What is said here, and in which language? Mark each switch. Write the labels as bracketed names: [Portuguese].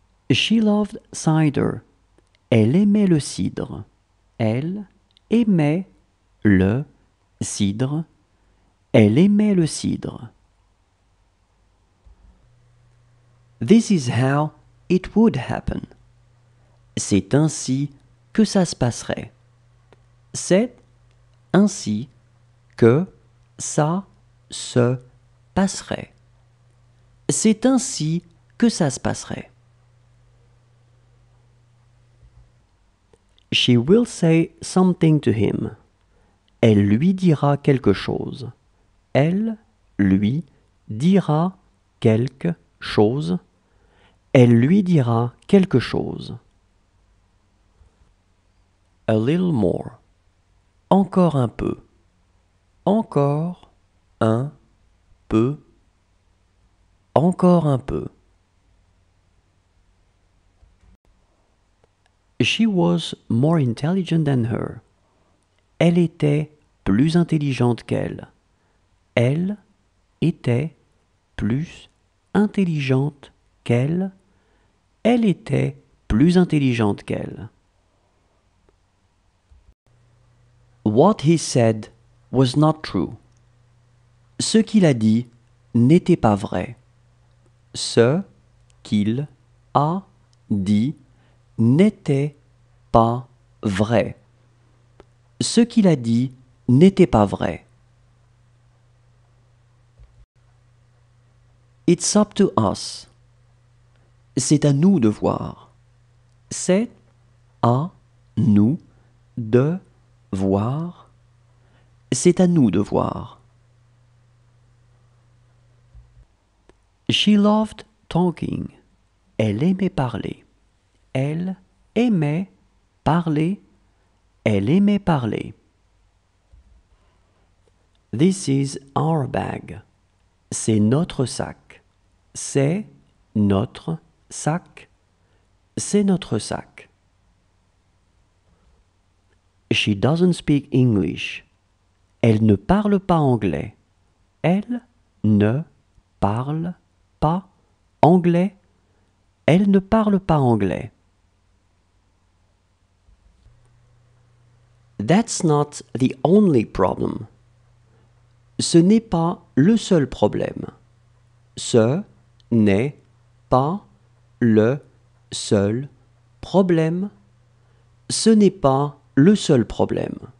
[English] She loved cider. [French] Elle aimait le cidre. Elle aimait le cidre. Elle aimait le cidre. [English] This is how it would happen. [French] C'est ainsi que ça se passerait. C'est ainsi que ça se passerait. C'est ainsi que ça se passerait. [English] She will say something to him. [French] Elle lui dira quelque chose. Elle lui dira quelque chose. Elle lui dira quelque chose. [English] A little more. [French] Encore un peu. Encore un peu. Encore un peu. [English] She was more intelligent than her. [French] Elle était plus intelligente qu'elle. Elle était plus intelligente qu'elle. Elle était plus intelligente qu'elle. [English] What he said was not true. [French] Ce qu'il a dit n'était pas vrai. Ce qu'il a dit n'était pas vrai. Ce qu'il a dit n'était pas vrai. [English] It's up to us. [French] C'est à nous de voir. C'est à nous de voir. C'est à nous de voir. [English] She loved talking. [French] Elle aimait parler. Elle aimait parler. Elle aimait parler. [English] This is our bag. [French] C'est notre sac. C'est notre sac. C'est notre sac. [English] She doesn't speak English. [French] Elle ne parle pas anglais. Elle ne parle pas anglais. Elle ne parle pas anglais. [English] That's not the only problem. [French] Ce n'est pas le seul problème. Ce n'est pas le seul problème. Ce n'est pas le seul problème.